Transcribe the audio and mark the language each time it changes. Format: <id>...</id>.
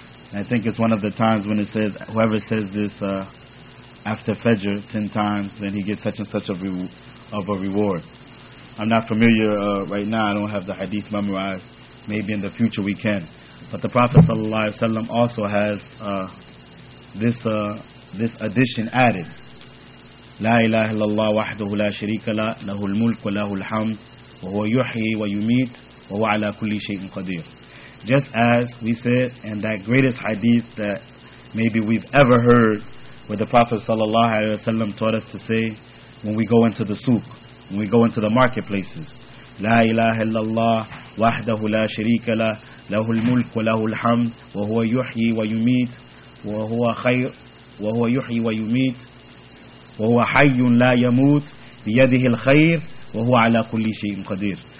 <en>And I think it's one of the times when it says, whoever says this after Fajr 10 times, then he gets such and such of a reward. I'm not familiar right now. I don't have the hadith memorized. Maybe in the future we can. But the Prophet wasallam also has this addition added.</en> <ar>لا إله إلا الله وحده لا شريك له له الملك وله الحمد وهو يحيي ويميت وهو على كل شيء قدير.</ar> <en>Just as we said in that greatest hadith that maybe we've ever heard, where the Prophet sallallahu alaihi wasallam taught us to say when we go into the souk, when we go into the marketplaces,</en> <ar>لا إله إلا الله وحده لا شريك له له الملك وله الحمد وهو يحيي ويميت وهو خير وهو يحيي ويميت وهو حي لا يموت بيده الخير وهو على كل شيء قدير.</ar>